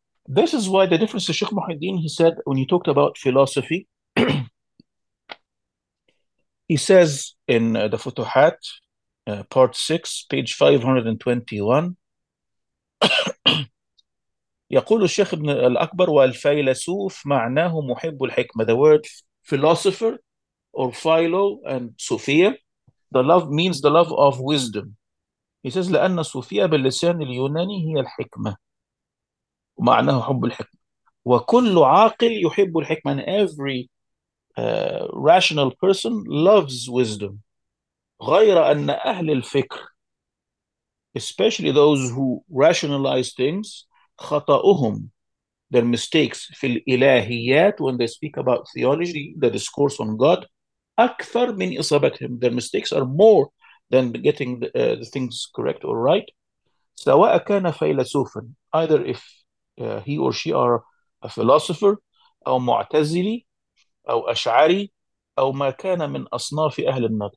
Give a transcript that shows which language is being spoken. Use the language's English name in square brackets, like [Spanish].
[English] This is why the difference to Sheikh Muhyiddin, he said, when he talked about philosophy, he says in the Futuhat, part 6, page 521, [Arabic] يقول الشيخ ابن الأكبر والفيلسوف معناه محب الحكمة. [English] The word philosopher or philo and sophia, the love means the love of wisdom. He says [Arabic] لأن الصوفية باللسان اليوناني هي الحكمة ومعناه حب الحكمة. وكل عاقل يحب الحكمة. [English] And every rational person loves wisdom. [Arabic] غير أن أهل الفكر, [English] especially those who rationalize things, [Arabic] خطأهم, [English] their mistakes [Arabic] في الإلهيات, [English] when they speak about theology, the discourse on God, [Arabic] أكثر من إصابتهم. [English] Their mistakes are more than getting the things correct or right. [Arabic] سواء كان فيلسوفا, [English] either if he or she are a philosopher, [Arabic] أو معتزلي, أو أشعري, أو ما كان من أصناف أهل النقد.